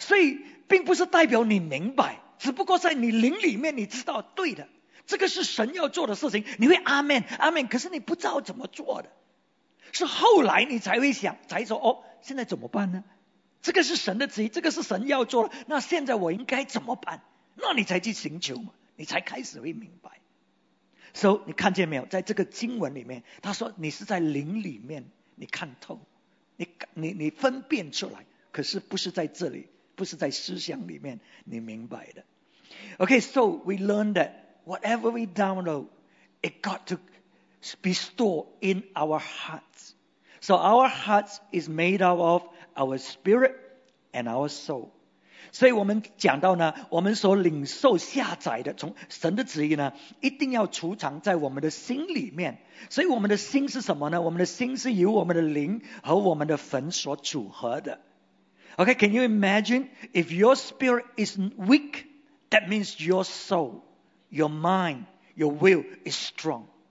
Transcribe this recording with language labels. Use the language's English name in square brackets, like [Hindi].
[Chinese] 所以你看见没有，在这个经文他讲的非常清楚，是圣灵启示给我们知道的。所以如果你的灵不刚强，因为这个不是用头脑嘛，用头脑，因为神讲的东西呢是超越过我们可以想象的，所以你的头脑是不能够领受的，而且你会抗拒的。所以是在我们灵里面领受，所以并不是代表你明白。只不过在你灵里面你知道对的，这个是神要做的事情，你会阿门阿门，可是你不知道怎么做的，是后来你才会想，才说哦，现在怎么办呢？这个是神的旨意，这个是神要做的，那现在我应该怎么办？那你才去寻求嘛，你才开始会明白。所以你看见没有，在这个经文里面，他说你是在灵里面，你看透，你分辨出来。可是不是在这里，不是在思想里面，你明白的。 [English] Okay, so we learn that whatever we download, it got to be stored in our hearts. So our hearts is made up of our spirit and our soul. [Chinese] 所以我们讲到呢，我们所领受下载的从神的旨意呢，一定要储藏在我们的心里面。所以我们的心是什么呢？我们的心是由我们的灵和我们的魂所组合的。 [English] Okay, can you imagine if your spirit is weak, that means your soul, your mind, your will is strong.